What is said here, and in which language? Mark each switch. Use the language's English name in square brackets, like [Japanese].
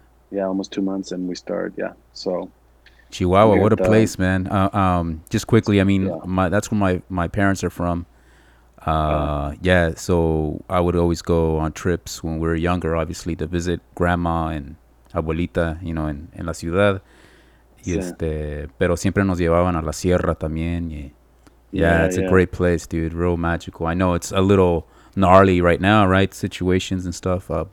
[English] Yeah, almost 2 months and we start. Yeah. So Chihuahua, what a place, man. Just quickly, I mean, yeah. That's where my parents are from. So I would always go on trips when we were younger, obviously, to visit grandma and abuelita, you know, in [Spanish] la ciudad. Pero siempre nos llevaban a la sierra también. [English] It's a great place, dude. Real magical. I know it's a little gnarly right now, right? Situations and stuff.